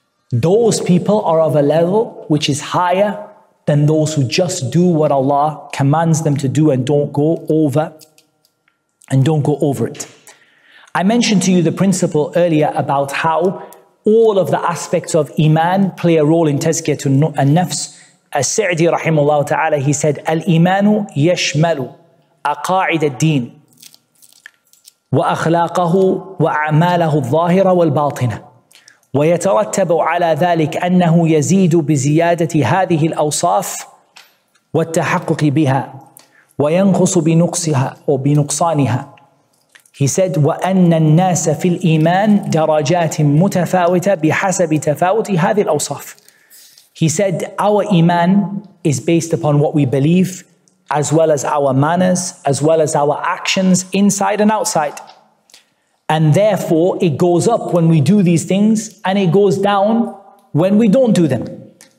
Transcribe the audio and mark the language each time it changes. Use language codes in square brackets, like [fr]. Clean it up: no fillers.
[en] Those people are of a level which is higher than those who just do what Allah commands them to do and don't go over it. I mentioned to you the principle earlier about how all of the aspects of iman play a role in tazkiyatun nafs. As Sa'di rahimahullah ta'ala, he said, [ar] al-imanu yashmalu أقاعد الدين وأخلاقه وأعماله الظاهرة والباطنة، ويترتب على ذلك أنه يزيد بزيادة هذه الأوصاف والتحقق بها وينقص بنقصها وبنقصانها. [en] He said [ar] وأن الناس في الإيمان درجات متفاوتة بحسب تفاوت هذه الأوصاف. [en] He said our iman is based upon what we believe, as well as our manners, as well as our actions inside and outside. And therefore, it goes up when we do these things, and it goes down when we don't do them.